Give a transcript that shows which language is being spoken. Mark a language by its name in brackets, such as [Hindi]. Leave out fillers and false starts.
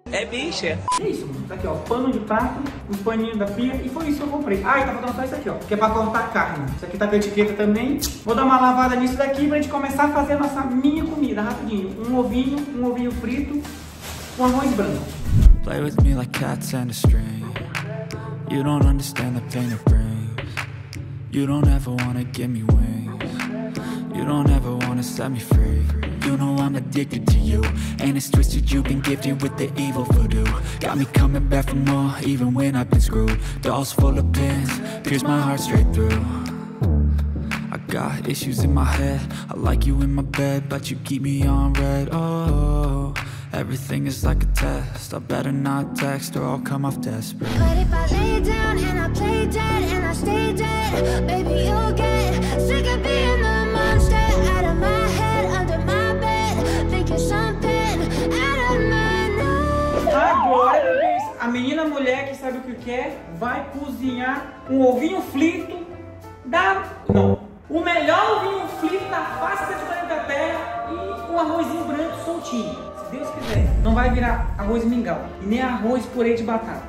[Portuguese] É bicha. É isso, mano. Tá aqui, ó. Pano de prato, os paninhos da pia e foi isso que eu comprei. Ah, e tá faltando só isso aqui, ó. Que é pra cortar carne. Isso aqui tá com etiqueta também. Vou dar uma lavada nisso daqui pra gente começar a fazer a nossa minha comida, rapidinho. Um ovinho frito com arroz branco. [English] Play with me like cats and a string. You don't understand the pain it brings. You don't ever wanna give me wings. You don't ever wanna set me free. You know I'm addicted to you. And it's twisted, you've been gifted with the evil voodoo. Got me coming back for more, even when I've been screwed. Dolls full of pins, pierce my heart straight through. I got issues in my head. I like you in my bed, but you keep me on red. Oh, everything is like a test. I better not text or I'll come off desperate. But if I lay down and I play dead and I stay dead, baby, you'll get sick of being the monster. Out of my head, under my bed, thinking something out of my nightmare. [Portuguese] Agora, a menina mulher que sabe o que quer vai cozinhar um ovinho frito da... Não. O melhor ovinho frito da face do planeta Terra e um arrozinho branco soltinho. Deus quiser, não vai virar arroz mingau e nem arroz purê de batata.